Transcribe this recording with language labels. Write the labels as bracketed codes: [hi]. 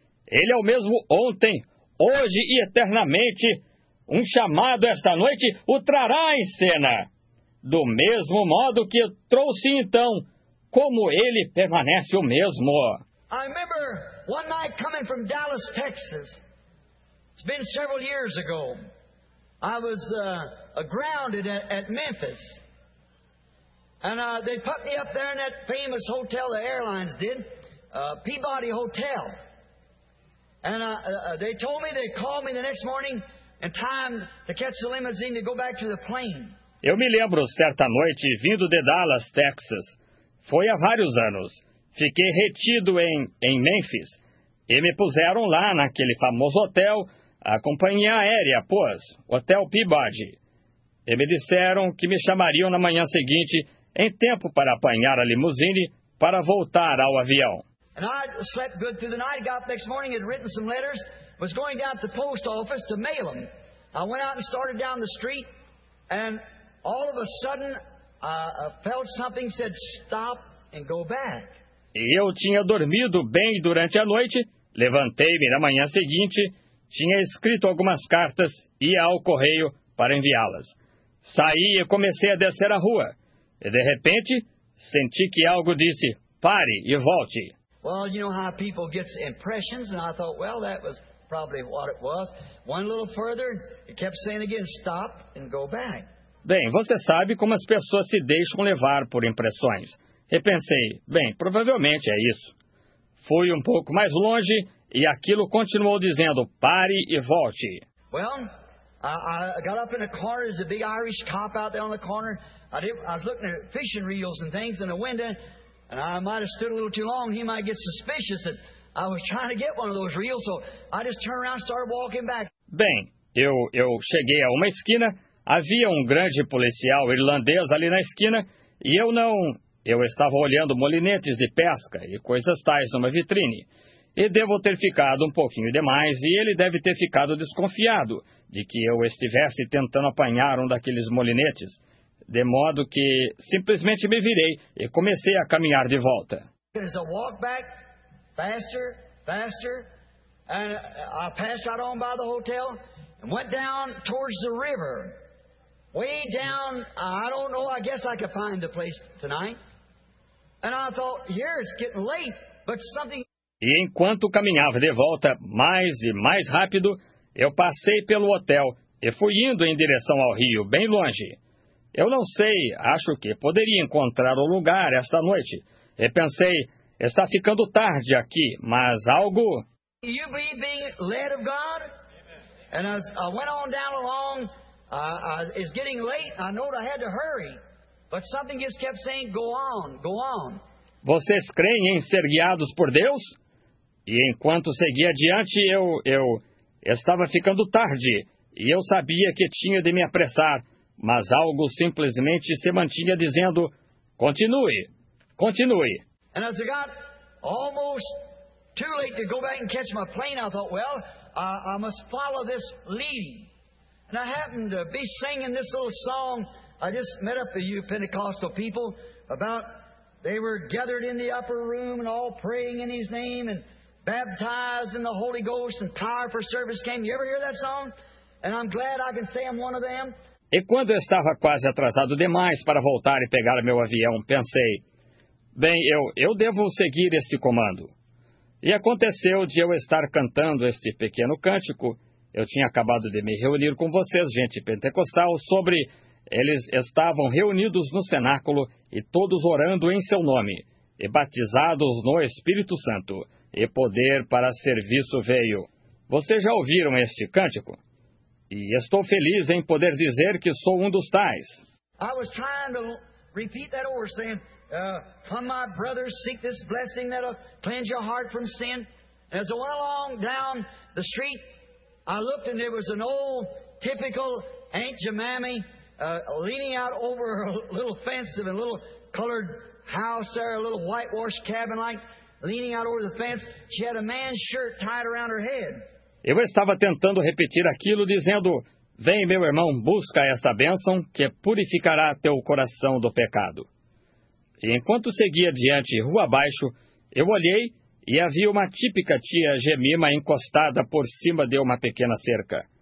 [pt] Ele é o mesmo ontem, hoje e eternamente. Um chamado esta noite o trará em cena. Do mesmo modo que trouxe então, como ele permanece o mesmo. [en] I remember one night coming from Dallas, Texas. It's been several years ago. I was grounded at Memphis. And they put me up there in that famous hotel the airlines did, Peabody Hotel. And they told me, they called me the next morning in time to catch the limousine to go back to the plane. [pt] Eu me lembro certa noite vindo de Dallas, Texas. Foi há vários anos. Fiquei retido em Memphis. E me puseram lá naquele famoso hotel, a companhia aérea, pois, Hotel Peabody. E me disseram que me chamariam na manhã seguinte, em tempo para apanhar a limusine, para voltar ao avião. [en] And I slept good through the night, got up next morning, had written some letters, was going down to the post office to mail them. I went out and started down the street, and all of a sudden, I felt something said, stop and go back. [pt] E eu tinha dormido bem durante a noite, levantei-me na manhã seguinte, tinha escrito algumas cartas, ia ao correio para enviá-las. Saí e comecei a descer a rua. E de repente, senti que algo disse, pare e volte. [en] Well, you know how people get impressions, and I thought, well, that was probably what it was. One little further, he kept saying again, stop and go back. [pt] Bem, você sabe como as pessoas se deixam levar por impressões. Repensei, bem, provavelmente é isso. Fui um pouco mais longe e aquilo continuou dizendo, pare e volte. [en] Well, I got up in a corner, there's a big Irish cop out there on the corner. I was looking at fishing reels and things in a window, and I might have stood a little too long. He might get suspicious that I was trying to get one of those reels, so I just turned around and started walking back. [pt] Bem, eu cheguei a uma esquina, havia um grande policial irlandês ali na esquina, e eu estava olhando molinetes de pesca e coisas tais numa vitrine. E devo ter ficado um pouquinho demais, e ele deve ter ficado desconfiado de que eu estivesse tentando apanhar um daqueles molinetes. De modo que simplesmente me virei e comecei a caminhar de volta. [en] As I walk back, faster, faster, and I passed right on by the hotel and went down towards the river. Way down, I don't know, I guess I could find the place tonight. And I thought, here it's getting late, but something. [pt] E enquanto caminhava de volta, mais e mais rápido, eu passei pelo hotel e fui indo em direção ao rio, bem longe. Eu não sei, acho que poderia encontrar o lugar esta noite. E pensei, está ficando tarde aqui, mas algo... [en] You be being led of God? And as I went on down along, it's getting late, I know I had to hurry. But something just kept saying, go on, go on. [pt] Vocês creem em ser guiados por Deus? E enquanto seguia adiante, eu estava ficando tarde, e eu sabia que tinha de me apressar, mas algo simplesmente se mantinha dizendo, continue, continue. [en] And as I got almost too late to go back and catch my plane, I thought, well, I must follow this leading. And I happened to be singing this little song. I just met up with you Pentecostal people about they were gathered in the upper room and all praying in his name and baptized in the Holy Ghost and power for service came. You ever hear that song? And I'm glad I can say I'm one of them. [pt] E quando eu estava quase atrasado demais para voltar e pegar meu avião, pensei, bem, eu devo seguir esse comando. E aconteceu de eu estar cantando este pequeno cântico. Eu tinha acabado de me reunir com vocês, gente pentecostal, sobre eles estavam reunidos no cenáculo e todos orando em seu nome e batizados no Espírito Santo. E poder para serviço veio. Vocês já ouviram este cântico? E estou feliz em poder dizer que sou um dos tais. [en] I was trying to repeat that over, saying, come my brothers, seek this blessing that'll cleanse your heart from sin. As I went along down the street, I looked and there was an old typical Aunt Jemammy leaning out over a little fence of a little colored house there, a little whitewashed cabin like. Leaning out over the fence, she had a man's shirt tied around her head. [pt] Eu estava tentando repetir aquilo, dizendo, vem, meu irmão, busca esta bênção que purificará teu coração do pecado. E enquanto seguia adiante, rua abaixo, eu olhei e havia uma típica tia Jemima encostada por cima de uma pequena cerca.